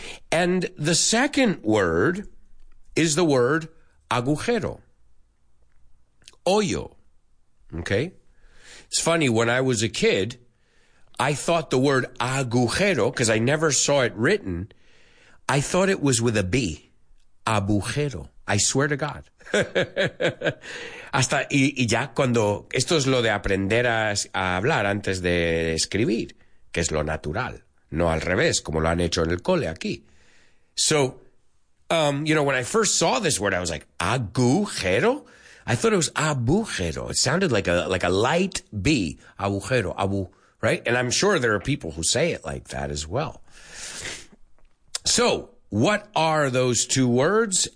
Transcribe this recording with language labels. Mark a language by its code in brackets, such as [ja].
[en] And the second word is the word agujero, hoyo, okay? It's funny, when I was a kid, I thought the word agujero, because I never saw it written, I thought it was with a B, agujero, I swear to God. [es] Hasta, y ya cuando, esto es lo de aprender a hablar antes de escribir, que es lo natural, no al revés, como lo han hecho en el cole aquí. [en] So, you know, when I first saw this word, I was like, agujero? I thought it was abujero. It sounded like a light B, agujero, abu, right? And I'm sure there are people who say it like that as well. So, what are those two words?